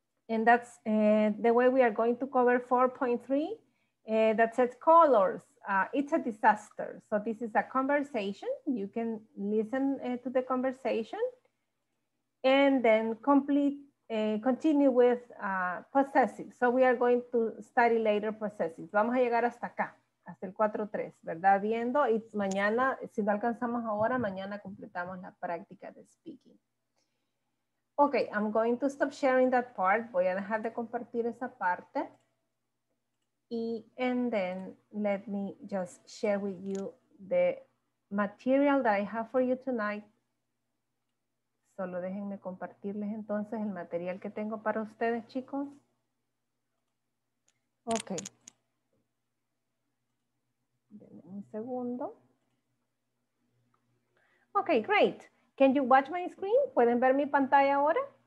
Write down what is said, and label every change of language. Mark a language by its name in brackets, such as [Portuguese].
[English] And that's the way we are going to cover 4.3 that says colors. It's a disaster. So this is a conversation. You can listen to the conversation and then continue with possessive. So we are going to study later possessive. [Spanish] Vamos a llegar hasta acá, hasta el 4.3, ¿verdad? Viendo, y mañana, si no alcanzamos ahora, mañana completamos la práctica de speaking. [English] Ok, I'm going to stop sharing that part. [Spanish] Voy a dejar de compartir esa parte. [English] Y, and then, let me just share with you the material that I have for you tonight. [Spanish] Solo déjenme compartirles entonces el material que tengo para ustedes, chicos. Ok. Denme un segundo. [English] Ok, great. Can you watch my screen? [Spanish] ¿Pueden ver mi pantalla ahora?